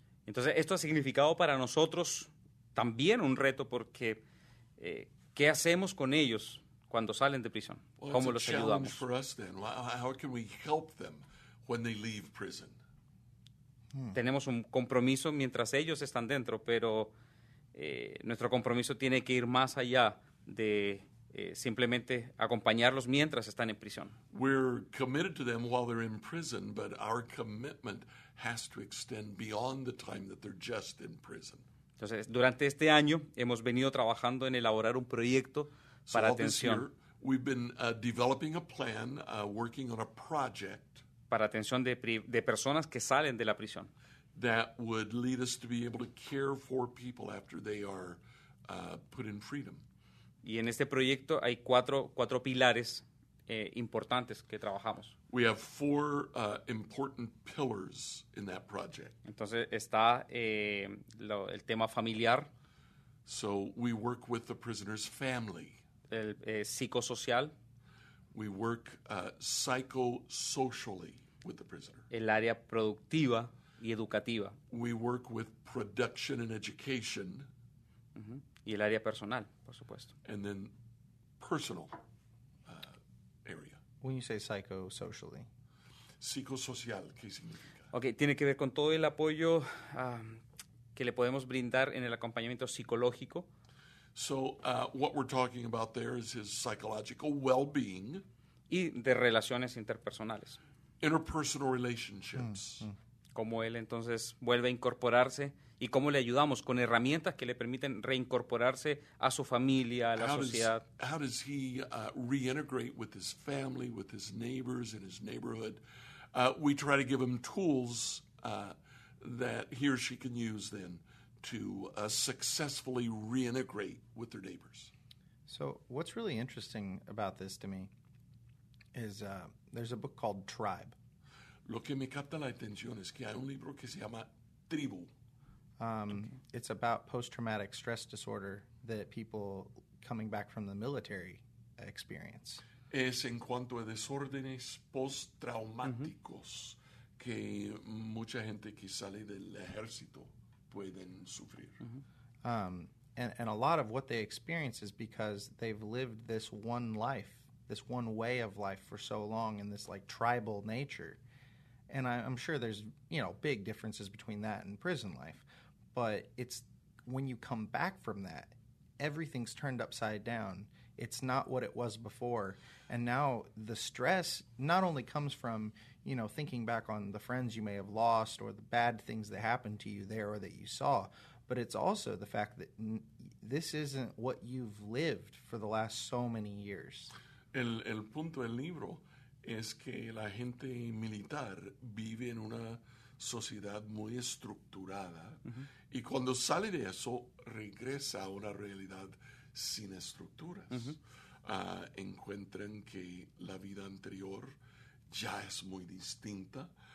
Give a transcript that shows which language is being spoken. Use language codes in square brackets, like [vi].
[es] Entonces esto ha significado para nosotros también un reto porque ¿qué hacemos con ellos cuando salen de prisión? [en] Well, [es] ¿cómo los [en] challenge [es] ayudamos? [en] For us, then. How can we help them when they leave prison? [es] Tenemos un compromiso mientras ellos están dentro, pero nuestro compromiso tiene que ir más allá de simplemente acompañarlos mientras están en prisión. [en] We're committed to them while they're in prison, but our commitment has to extend beyond the time that they're just in prison. [es] Entonces, durante este año hemos venido trabajando en elaborar un proyecto para atención. [en] So all this year, we've been developing a plan, working on a project [es] para atención de personas que salen de la prisión. [en] That would lead us to be able to care for people after they are put in freedom. [es] Y en este proyecto hay cuatro pilares importantes que trabajamos. [en] We have four important pillars in that project. [es] Entonces está el tema familiar. [en] So we work with the prisoner's family. [es] El psicosocial. [en] We work psychosocially with the prisoner. [es] El área productiva y educativa. [en] We work with production and education. [es] Uh-huh. Y el área personal, por supuesto. [en] And then personal area. When you say psychosocially. [es] Psicosocial, ¿qué significa? Okay, tiene que ver con todo el apoyo que le podemos brindar en el acompañamiento psicológico. [en] So what we're talking about there is his psychological well-being. [es] Y de relaciones interpersonales. [en] Interpersonal relationships. Mm, mm. [es] Cómo él entonces vuelve a incorporarse y cómo le ayudamos con herramientas que le permiten reincorporarse a su familia, a la sociedad. [en] How does he reintegrate with his family, with his neighbors, in his neighborhood? We try to give him tools that he or she can use then to successfully reintegrate with their neighbors. So what's really interesting about this to me is there's a book called Tribe. [es] Lo que me capta la atención es que hay un libro que se llama Tribu. [en] It's about post-traumatic stress disorder that people coming back from the military experience. [es] Es en cuanto a desórdenes post-traumáticos que mucha gente que sale del ejército pueden sufrir. [en] And a lot of what they experience is because they've lived this one life, this one way of life for so long in this, like, tribal nature. And I'm sure there's, you know, big differences between that and prison life. But it's when you come back from that, everything's turned upside down. It's not what it was before. And now the stress not only comes from, you know, thinking back on the friends you may have lost or the bad things that happened to you there or that you saw, but it's also the fact that this isn't what you've lived for the last so many years. [es] El punto del libro es que la gente militar vive en una sociedad muy estructurada y cuando sale de eso regresa a una realidad sin estructuras. Encuentran que la vida anterior ya es muy distinta.